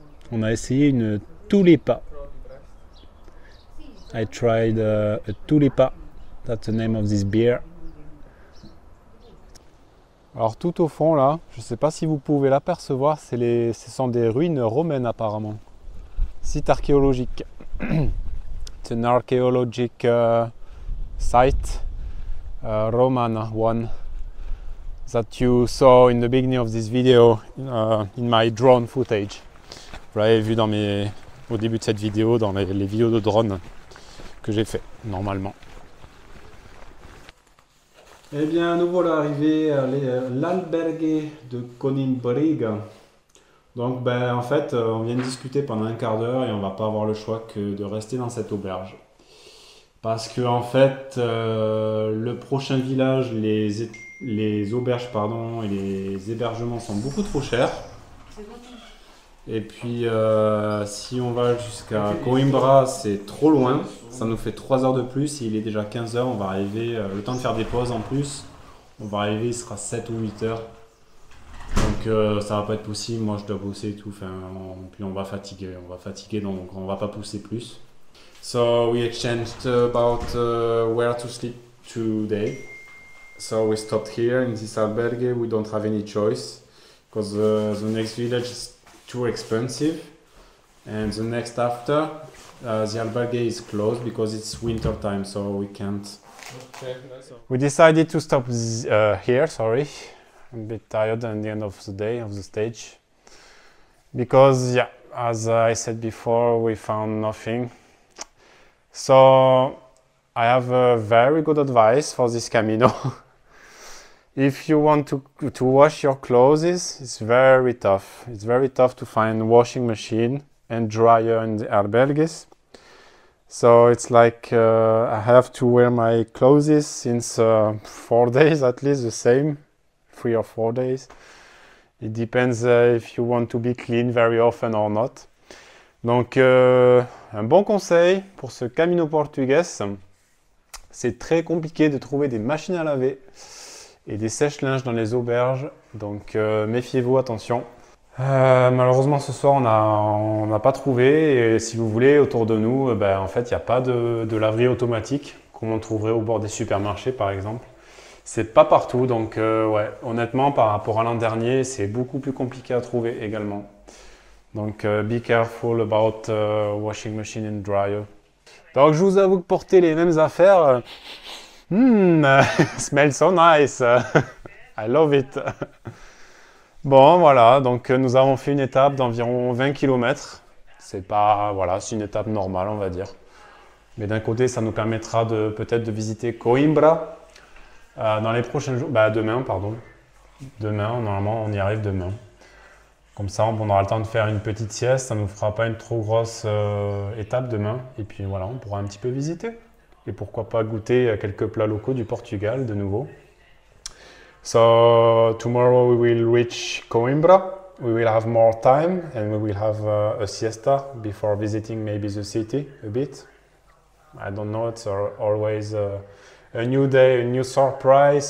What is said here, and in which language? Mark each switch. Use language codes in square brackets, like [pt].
[fr] On a essayé une tulipa. [en] I tried a tulipa. That's the name of this beer. [fr] Alors tout au fond là, je ne sais pas si vous pouvez l'apercevoir, ce sont des ruines romaines apparemment. Site archéologique. [en] It's an archaeologic site, Roman one, that you saw in the beginning of this video, in my drone footage. [fr] Vous l'avez vu au début de cette vidéo, dans les vidéos de drone que j'ai fait normalement. Eh bien, nous voilà arrivés à l'albergue de Conimbriga. Donc, ben, en fait, on vient de discuter pendant un quart d'heure et on va pas avoir le choix que de rester dans cette auberge. Parce que, en fait, le prochain village, les auberges, pardon, et les hébergements sont beaucoup trop chers. Et puis, si on va jusqu'à Coimbra, c'est trop loin. Ça nous fait 3 heures de plus. Il est déjà 15 heures. On va arriver, le temps de faire des pauses en plus. On va arriver, il sera 7 ou 8 heures. Donc, ça va pas être possible. Moi, je dois bosser et tout. Enfin, on va fatiguer. On va fatiguer, donc on va pas pousser plus. [en] So, we exchanged about where to sleep today. So, we stopped here in this albergue. We don't have any choice. Because the next village is too expensive, and the next after the albergue is closed because it's winter time, so we can't. We decided to stop here. Sorry, I'm a bit tired at the end of the day of the stage because, yeah, as I said before, we found nothing. So I have a very good advice for this Camino. If you want to wash your clothes, it's very tough. It's very tough to find washing machine and dryer in the Alberges. So it's like I have to wear my clothes since 4 days at least, the same, 3 or 4 days. It depends if you want to be clean very often or not. [fr] Donc un bon conseil pour ce Camino Portugais, c'est très compliqué de trouver des machines à laver et des sèches-linges dans les auberges. Donc méfiez-vous, attention. Malheureusement, ce soir, on n'a pas trouvé. Et si vous voulez, autour de nous, ben, en fait, il n'y a pas de laverie automatique comme on trouverait au bord des supermarchés, par exemple. C'est pas partout. Donc, ouais, honnêtement, par rapport à l'an dernier, c'est beaucoup plus compliqué à trouver également. [en] Donc, be careful about washing machine and dryer. [fr] Donc, je vous avoue que porter les mêmes affaires, [en] smells so nice. I love it. [fr] Bon, voilà, donc nous avons fait une étape d'environ 20 km. C'est pas, voilà, c'est une étape normale, on va dire. Mais d'un côté, ça nous permettra de peut-être de visiter Coimbra dans les prochains jours. Bah, demain, pardon. Demain, normalement, on y arrive demain. Comme ça, on aura le temps de faire une petite sieste. Ça ne nous fera pas une trop grosse étape demain. Et puis voilà, on pourra un petit peu visiter. Et pourquoi pas goûter quelques plats locaux du Portugal de nouveau. [en] So tomorrow we will reach Coimbra. We will have more time and we will have a siesta before visiting maybe the city a bit. I don't know. It's always a new day, a new surprise.